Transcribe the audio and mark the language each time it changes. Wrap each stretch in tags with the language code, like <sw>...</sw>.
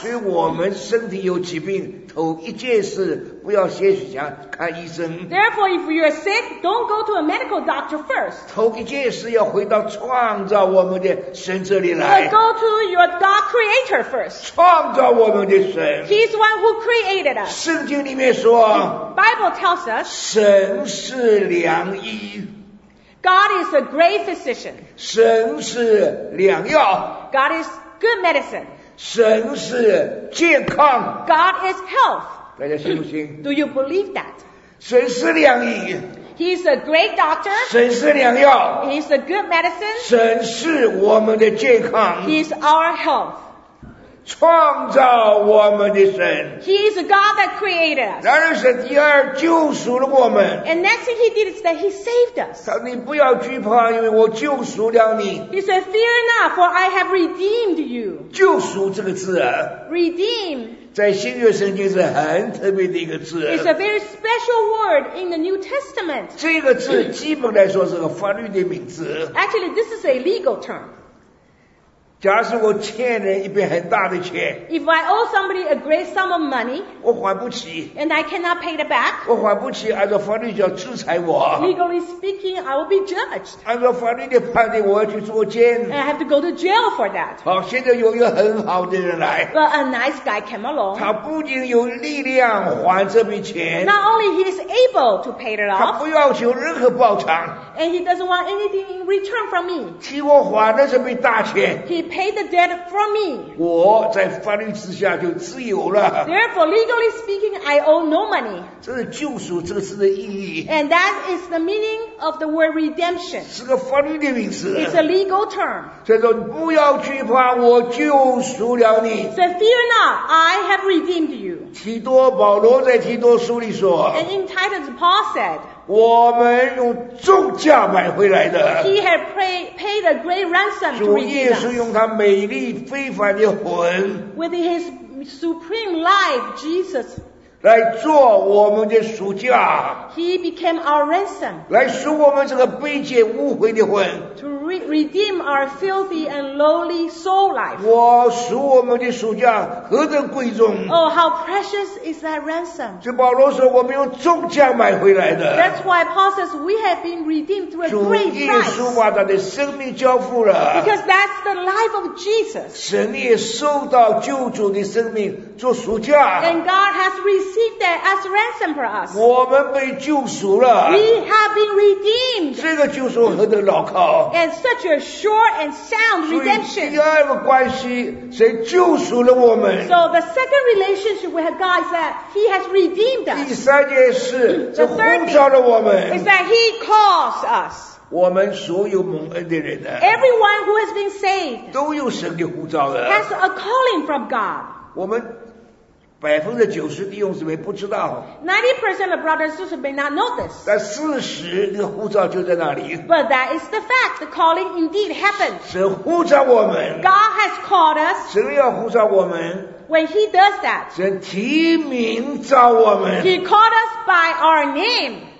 <zh>所以我们身体有疾病头一件事不要先去想看医生</zh> <en>Therefore if you're sick don't go to a medical doctor first</en> <zh>头一件事要回到创造我们的神这里来</zh> <en>But go to your God creator first</en> <zh>创造我们的神</zh> <en>He's the one who created us</en> <zh>圣经里面说</zh> <en>The Bible tells us</en> <zh>神是良医</zh> <en>God is a great physician</en> <zh>神是良药</zh> <en>God is good medicine</en> <zh>神是健康</zh> <en>God is health</en> <zh>大家信不信</zh> <en>Do you believe that</en> <zh>神是良医</zh> <en>He's a great doctor</en> <zh>神是良药</zh> <en>He's a good medicine</en> <zh>神是我们的健康</zh> <en>He's our health</en> <zh>创造我们的神</zh> <en>He is a God that created us</en> <zh>然而神第二救赎了我们</zh> <en>And next thing he did is that he saved us</en> <zh>他说你不要惧怕因为我救赎了你</zh> <en>He said fear not for I have redeemed you</en> <zh>救赎这个字啊</zh> <en>Redeem</en> <zh>在新约圣经是很特别的一个字</zh> <en>It's a very special word in the New Testament</en> <zh>这个字基本来说是个法律的名字</zh> <en>Actually this is a legal term</en> <zh>假如我欠人一笔很大的钱</zh> <en>If I owe somebody a great sum of money</en> <zh>我还不起</zh> <en>And I cannot pay it back</en> <zh>我还不起按照法律叫制裁我</zh> <en>Legally speaking, I will be judged</en> <zh>按照法律的判定我要去坐监</zh> <en>And I have to go to jail for that</en> <zh>好现在有一个很好的人来</zh> <en>But a nice guy came along</en> <zh>他不仅有力量还这笔钱</zh> <en>Not only he is able to pay it off</en> <zh>他不要求任何报偿</zh> <en>And he doesn't want anything in return from me</en> <zh>替我还了这笔大钱</zh> <en>Pay the debt from me.</en> <zh>我在法律之下就自由了。</zh> <en>Therefore, legally speaking, I owe no money.</en> <zh>这是救赎这个字的意义。</zh> <en>And that is the meaning of the word redemption.</en> <zh>是个法律的名词。</zh> <en>It's a legal term.</en> <zh>所以说不要惧怕，我救赎了你。</zh> <en>So fear not, I have redeemed you.</en> <zh>提多保罗在提多书里说。</zh> <en>And in Titus, Paul said.</en> <zh>我们用重价买回来的。</zh> <en>He had paid a great ransom to redeem us.</en> <zh>主耶稣用他美丽非凡的魂</zh> <en>with his supreme life, Jesus,</en> <zh>来做我们的赎价</zh> <en>he became our ransom,</en> <zh>来赎我们这个卑贱污秽的魂</zh> <en>to redeem our filthy and lowly soul life.</en> <zh>我赎我们的赎价何等贵重</zh> <en>Oh, how precious is that ransom.</en> <zh>所以保罗说我们用重价买回来的</zh> <en>That's why Paul says we have been redeemed through a great price.</en> <zh>主耶稣把他的生命交付了</zh> <en>Because that's the life of Jesus.</en> <zh>神也受到救主的生命做赎价</zh> <en>And God has received that as ransom for us.</en> <zh>我们被救赎了</zh> <en>We have been redeemed.</en> <zh>这个救赎何等牢靠</zh> <en>And such a sure and sound redemption.</en> <zh>所以第二个关系谁救赎了我们</zh> <en>So the second relationship with God is that he has redeemed us.</en> <zh>第三件事是呼召了我们</zh> <en>is that he calls us.</en> <zh>我们所有蒙恩的人呢</zh> <en>Everyone who has been saved</en> <zh>都有神的呼召了</zh> <en>has a calling from God.</en> <zh>我们90%的弟兄姊妹不知道</zh> <en>90% of brothers and sisters may not know this</en> <zh>但40%的呼召就在那里</zh> <en>But that is the fact the calling indeed happened</en> <zh>神呼召我们</zh> <en>God has called us</en> <zh>神要呼召我们</zh> <en>When he does that</en> <zh>神提名召我们</zh> <en>He called us by our name</en>